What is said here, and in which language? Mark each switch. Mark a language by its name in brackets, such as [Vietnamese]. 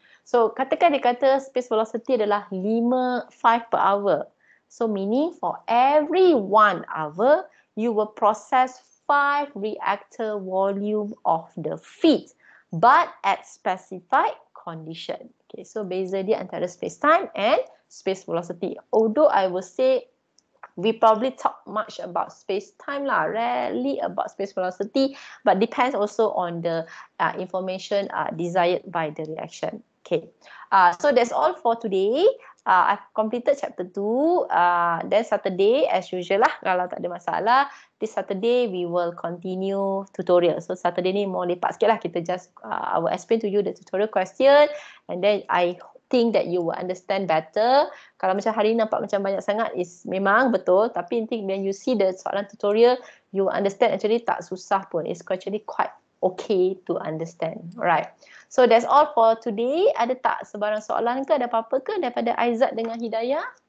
[Malay] So katakan dia kata space velocity adalah 5 per hour. [English] So meaning for every 1 hour, you will process 5 reactor volume of the feed, but at specified condition. [Malay] Okay, so beza dia antara space time and space velocity. [English] Although I will say we probably talk much about space time lah, rarely about space velocity, but depends also on the information desired by the reaction. Okay, so that's all for today. I've completed chapter 2. Then Saturday, as usual lah, [Malay] kalau tak ada masalah, [English] this Saturday we will continue tutorial. [Malay] So Saturday ni more lepak sikit lah. [English] Kita just, I will explain to you the tutorial question and then I think that you will understand better. [Malay] Kalau macam hari ni nampak macam banyak sangat, is memang betul. [English] Tapi nanti when you see the soalan tutorial, you will understand actually [Malay] tak susah pun. [English] It's actually quite okay to understand. Alright. So that's all for today. [Malay] Ada tak sebarang soalan ke, ada apa-apa ke daripada Aizat dengan Hidayah?